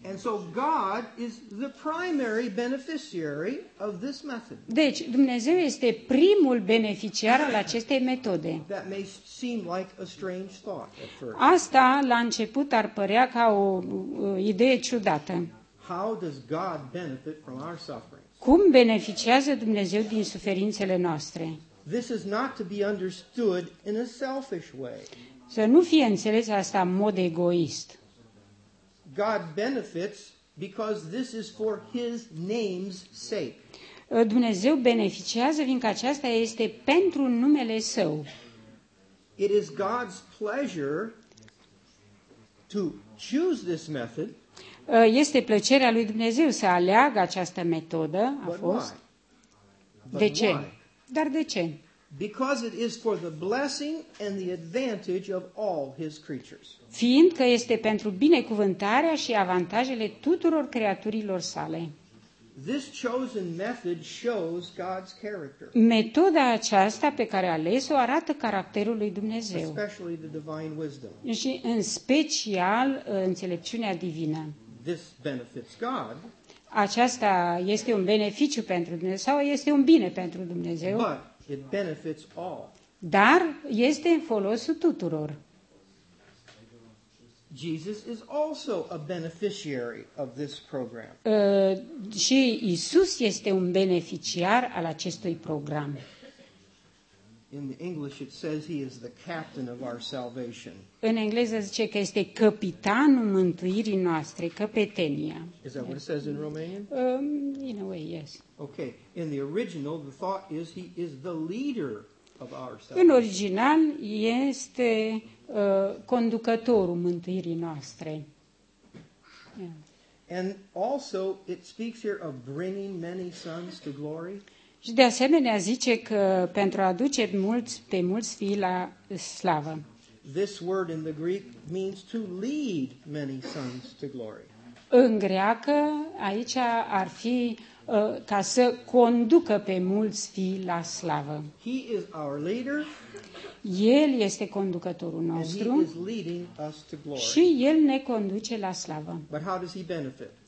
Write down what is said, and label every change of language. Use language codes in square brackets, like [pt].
[en] And so God is the primary beneficiary of this method. [ro] Deci, Dumnezeu este primul beneficiar al acestei metode. [en] That may seem like a strange thought at first. [ro] Asta, la început, ar părea ca o idee ciudată. [en] How does God benefit from our sufferings? [ro] Cum beneficiază Dumnezeu din suferințele noastre? [en] This is not to be understood in a selfish way. [ro] Să nu fie înțeles asta în mod egoist. [en] God benefits because this is for his name's sake. [ro] Dumnezeu beneficiază fiindcă aceasta este pentru numele său. [en] It is God's pleasure to choose this method. [ro] Este plăcerea lui Dumnezeu să aleagă această metodă, a fost. De ce? Dar de ce? [en] Because it is for the blessing and the advantage of all his creatures. [ro] Fiindcă este pentru binecuvântarea și avantajele tuturor creaturilor sale. [en] This chosen method shows God's character. [ro] Metoda aceasta pe care a ales-o arată caracterul lui Dumnezeu. [en] Especially the divine wisdom. [ro] Și în special înțelepciunea divină. [en] This benefits God. [ro] Aceasta este un beneficiu pentru Dumnezeu sau este un bine pentru Dumnezeu? [en] But it benefits all. [ro] Dar este în folosul tuturor. [en] Jesus is also a beneficiary of this program. [ro] Și Isus este un beneficiar al acestui program. [en] In the English it says he is the captain of our salvation. [ro] În engleză zice că este căpitanul mântuirii noastre, căpetenia. [en] Is that what it says in Romanian? In a way, yes. Okay. In the original the thought is he is the leader of our salvation. [ro] În original este conducătorul mântuirii noastre. [en] Yeah. And also it speaks here of bringing many sons to glory. [ro] Și de asemenea zice că pentru a aduce mulți pe mulți fii la slavă. [en] This word in the Greek means to lead many sons to glory. [ro] În greacă aici ar fi ca să conducă pe mulți fii la slavă. [en] He is our leader. [ro] El este conducătorul nostru. [en] And he is leading us to glory. [ro] Și el ne conduce la slavă. [en] But how does he benefit?